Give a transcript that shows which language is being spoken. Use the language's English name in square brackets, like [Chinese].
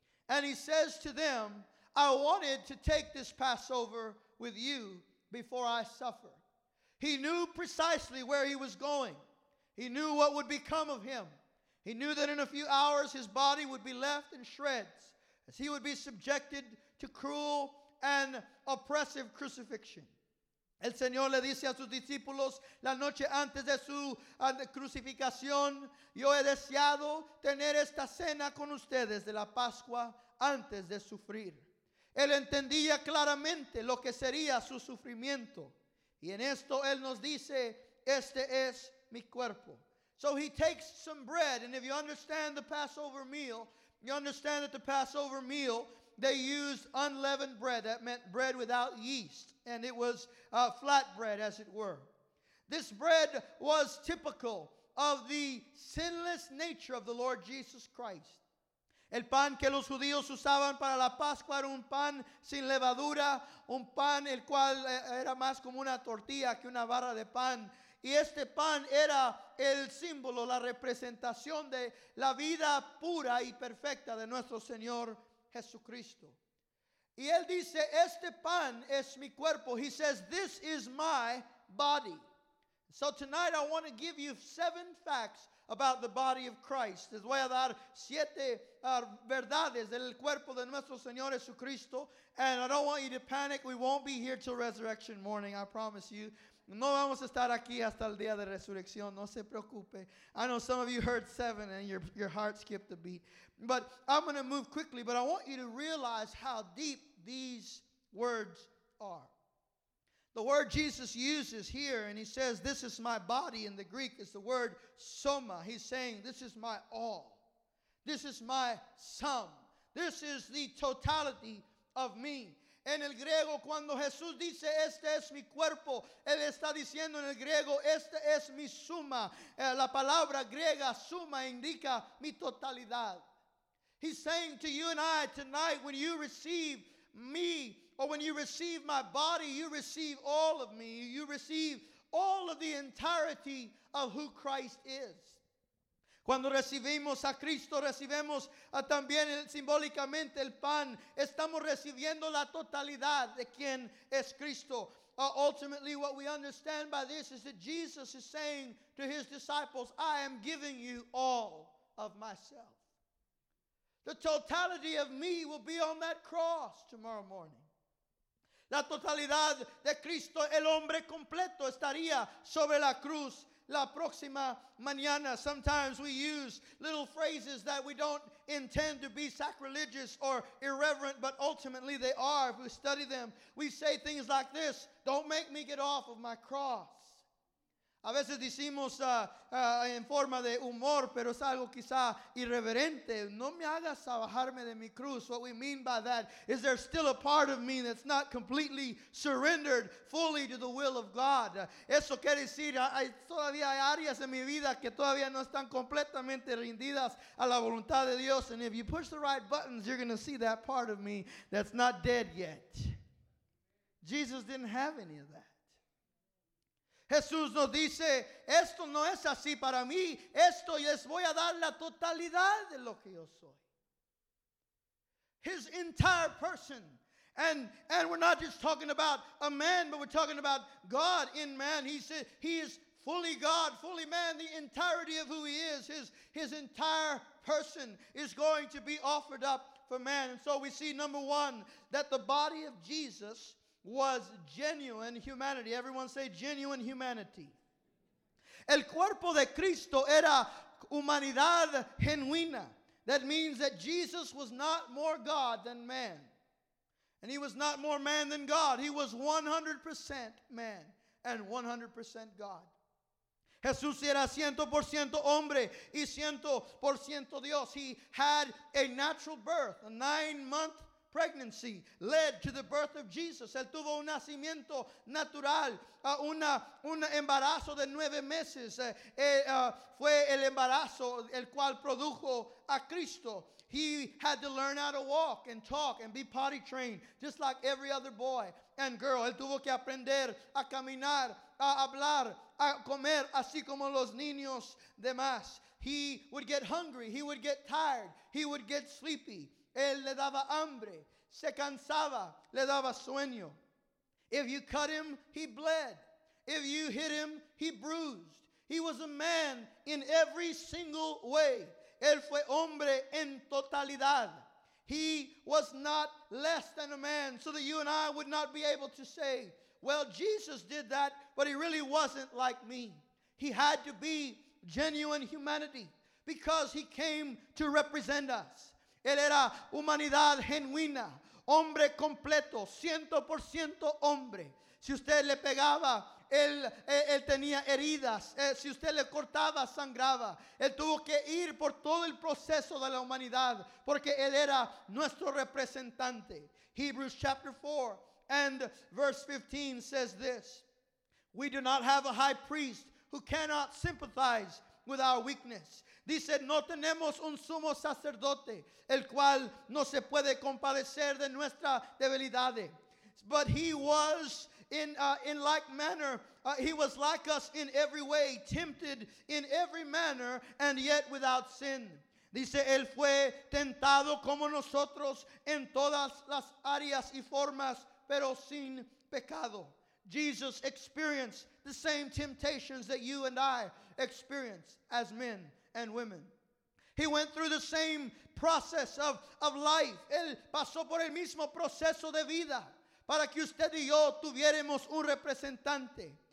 [English] And he says to them, I wanted to take this Passover with you before I suffer. He knew precisely where he was going. He knew what would become of him. He knew that in a few hours his body would be left in shreds, as he would be subjected to cruel and oppressive crucifixion. [Spanish] El Señor le dice a sus discípulos, la noche antes de su crucificación, yo he deseado tener esta cena con ustedes de la Pascua antes de sufrir. Él entendía claramente lo que sería su sufrimiento. Y en esto él nos dice, este es mi cuerpo. [English] So he takes some bread, and if you understand the Passover meal, you understand that the Passover meal, they used unleavened bread. That meant bread without yeast. And it was flat bread, as it were. This bread was typical of the sinless nature of the Lord Jesus Christ. [Spanish] El pan que los judíos usaban para la Pascua era un pan sin levadura, un pan el cual era más como una tortilla que una barra de pan. Y este pan era el símbolo, la representación de la vida pura y perfecta de nuestro Señor Jesucristo. Y él dice, este pan es mi cuerpo. [English] He says, this is my body. So tonight I want to give you 7 facts about the body of Christ. [Spanish] Les voy a dar 7 verdades del cuerpo de nuestro Señor Jesucristo. [English] And I don't want you to panic. We won't be here till resurrection morning, I promise you. [Spanish] No vamos a estar aquí hasta el día de resurrección. No se preocupe. [English] I know some of you heard 7 and your heart skipped a beat. But I'm going to move quickly, but I want you to realize how deep these words are. The word Jesus uses here, and he says, this is my body in the Greek, is the word soma. He's saying, this is my all. This is my sum. This is the totality of me. [Spanish] En el griego, cuando Jesús dice, este es mi cuerpo, él está diciendo en el griego, este es mi suma. La palabra griega, suma, indica mi totalidad. [English] He's saying to you and I tonight, when you receive me, or when you receive my body, you receive all of me. You receive all of the entirety of who Christ is. [Spanish] Cuando recibimos a Cristo, recibimos también simbólicamente el pan. Estamos recibiendo la totalidad de quien es Cristo. [English] Ultimately, what we understand by this is that Jesus is saying to his disciples, I am giving you all of myself. The totality of me will be on that cross tomorrow morning. [Spanish] La totalidad de Cristo, el hombre completo, estaría sobre la cruz la próxima mañana. [English] Sometimes we use little phrases that we don't intend to be sacrilegious or irreverent, but ultimately they are. If we study them, we say things like this, don't make me get off of my cross. [Spanish] A veces decimos en forma de humor, pero es algo quizá irreverente. No me hagas bajarme de mi cruz. [English] What we mean by that is there's still a part of me that's not completely surrendered fully to the will of God. [Spanish] Eso quiere decir, todavía hay áreas en mi vida que todavía no están completamente rendidas a la voluntad de Dios. [English] And if you push the right buttons, you're going to see that part of me that's not dead yet. Jesus didn't have any of that. [Spanish] Jesús nos dice, esto no es así para mí, esto les voy a dar la totalidad de lo que yo soy. [English] His entire person. And we're not just talking about a man, but we're talking about God in man. He said he is fully God, fully man, the entirety of who he is. His entire person is going to be offered up for man. And so we see, number one, that the body of Jesus was genuine humanity. Everyone say genuine humanity. [Spanish] El cuerpo de Cristo era humanidad genuina. [English] That means that Jesus was not more God than man. And he was not more man than God. He was 100% man and 100% God. [Spanish] Jesús era 100% hombre y 100% Dios. [English] He had a natural birth, a 9-month pregnancy led to the birth of Jesus. [Spanish] Él tuvo un nacimiento natural, un embarazo de 9 meses. Fue el embarazo el cual produjo a Cristo. [English] He had to learn how to walk and talk and be potty trained, just like every other boy and girl. [Spanish] Él tuvo que aprender a caminar, a hablar, a comer, así como los niños demás. [English] He would get hungry. He would get tired. He would get sleepy. [Spanish] Él le daba hambre, se cansaba, le daba sueño. [English] If you cut him, he bled. If you hit him, he bruised. He was a man in every single way. [Spanish] Él fue hombre en totalidad. [English] He was not less than a man, so that you and I would not be able to say, well, Jesus did that, but he really wasn't like me. He had to be genuine humanity because he came to represent us. [Spanish] Él era humanidad genuina, hombre completo, 100% hombre. Si usted le pegaba, él tenía heridas. Si usted le cortaba, sangraba. Él tuvo que ir por todo el proceso de la humanidad porque él era nuestro representante. [English] Hebrews chapter 4 and verse 15 says this: We do not have a high priest who cannot sympathize with our weakness. [Spanish] Dice, no tenemos un sumo sacerdote el cual no se puede compadecer de nuestra debilidad. [English] But he was in like manner, he was like us in every way, tempted in every manner, and yet without sin. [Spanish] Dice, él fue tentado como nosotros en todas las áreas y formas, pero sin pecado. [English] Jesus experienced the same temptations that you and I experience as men and women. He went through the same process of life. [Spanish] Él pasó por el mismo proceso de vida para que usted y yo tuviéramos un representante.